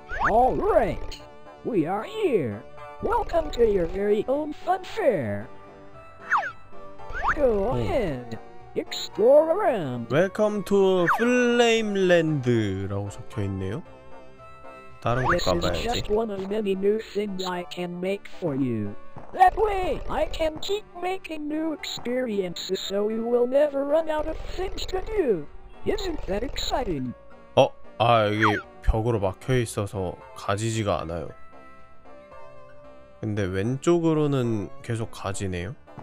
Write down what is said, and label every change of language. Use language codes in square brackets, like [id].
[en] Alright, we are here. Welcome to your very own fun fair. Go ahead, explore around. Welcome to Flameland [ko] 라고 적혀 있네요. 다른 곳 가봐야지. [en] This is just one of many new things I can make for you. That way, I can keep making new experiences so you will never run out of things to do. Isn't that exciting? [ko] 어, 아 여기 벽으로 막혀 있어서 가지지가 않아요. 근데 왼쪽으로는 계속 가지네요.